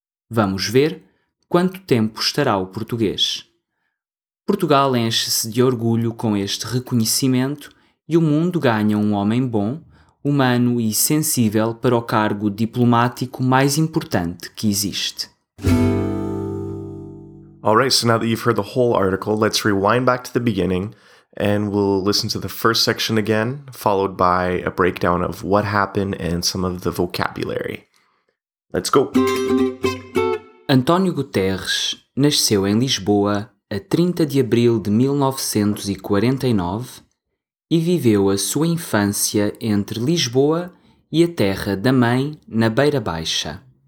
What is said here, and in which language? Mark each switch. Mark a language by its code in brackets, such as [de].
[pt] Vamos ver quanto tempo estará o português. Portugal enche-se de orgulho com este reconhecimento e o mundo ganha um homem bom, humano e sensível para o cargo diplomático mais importante que existe. [en] All right, so now that you've heard the whole article, let's rewind back to the beginning and we'll listen to the first section again, followed by a breakdown of what happened and some of the vocabulary. Let's go! [pt] António Guterres nasceu em Lisboa a 30 de abril de 1949 e viveu a sua infância entre Lisboa e a terra da mãe na Beira Baixa.